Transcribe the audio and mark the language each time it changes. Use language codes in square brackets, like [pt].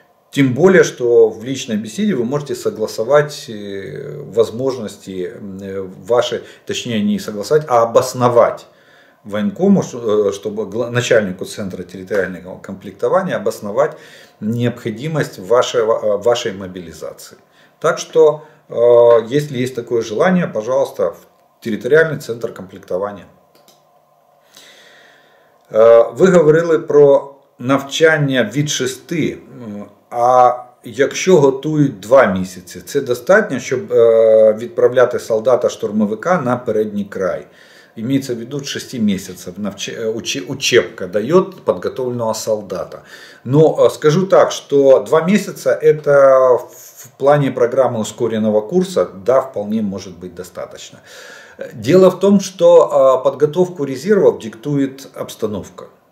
[ru] Тем более, что в личной беседе вы можете согласовать возможности ваши, точнее не согласовать, а обосновать военкому, чтобы начальнику центра территориального комплектования обосновать необходимость вашей мобилизации. Так что, если есть такое желание, пожалуйста, в территориальный центр комплектования. Вы говорили [uk] про навчання від шести, а якщо готують 2 місяці, це достатньо, щоб відправляти солдата-штурмовика на передній край? [ru] Имеется в виду 6 месяцев учебка дает подготовленного солдата. Но скажу так, что 2 месяца это в плане программы ускоренного курса, да, вполне может быть достаточно. Дело в том, что подготовку резервов диктует обстановка.